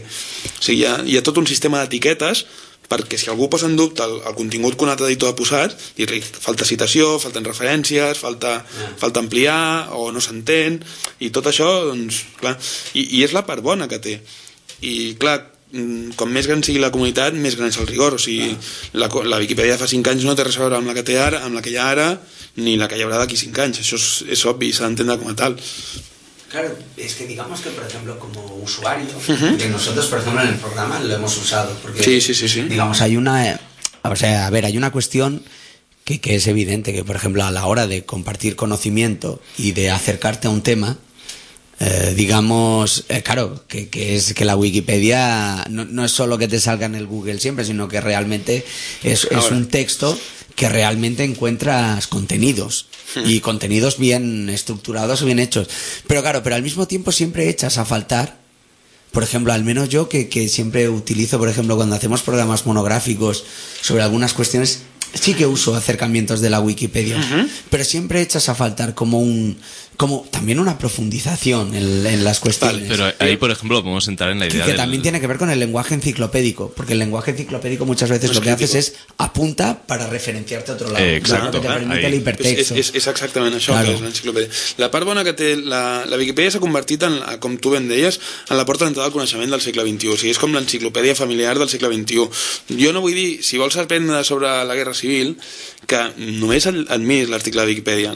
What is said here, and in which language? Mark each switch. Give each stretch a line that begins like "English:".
Catalan: O sigui, hi ha tot un sistema d'etiquetes perquè si algú posa en dubte el contingut que un altre editor ha posat, dir-li, falta citació, falten referències, falta ampliar o no s'entén, i tot això, doncs, clar, i és la part bona que té. I clar, com més gran sigui la comunitat, més gran és el rigor. O sigui, la Wikipedia fa 5 anys no té res a veure amb la que té ara, amb la que hi ha ara, ni la que hi haurà d'aquí 5 anys. Això és obvi, s'ha d'entendre com a tal.
Spanish: Claro, es que digamos que, por ejemplo, como usuario, que nosotros, por ejemplo, en el programa lo hemos usado, porque sí. Digamos, hay una, o sea, a ver, hay una cuestión que es evidente, que por ejemplo, a la hora de compartir conocimiento y de acercarte a un tema, digamos, claro, que es que la Wikipedia no es solo que te salga en el Google siempre, sino que realmente es un texto que realmente encuentras contenidos. Y contenidos bien estructurados o bien hechos. Pero claro, pero al mismo tiempo siempre echas a faltar, por ejemplo, al menos yo que siempre utilizo, por ejemplo, cuando hacemos programas monográficos sobre algunas cuestiones, sí que uso acercamientos de la Wikipedia. Uh-huh. Pero siempre echas a faltar como también una profundización en las cuestiones. Vale, pero ahí, por ejemplo, podemos entrar en la idea que también tiene que ver con el lenguaje enciclopédico, porque el lenguaje enciclopédico muchas veces lo que haces es apunta para referenciarte a otro lado. Exacto. Que te permite el hipertexto.
Catalan: És exactament això, claro. Que és l'enciclopèdia. La part bona que té la Wikipedia s'ha convertit en, com tu ben deies, en la porta d'entrada al coneixement del segle XXI. O sigui, és com l'enciclopèdia familiar del segle XXI. Jo no vull dir, si vols aprendre sobre la Guerra Civil, que només admiris l'article de Wikipedia.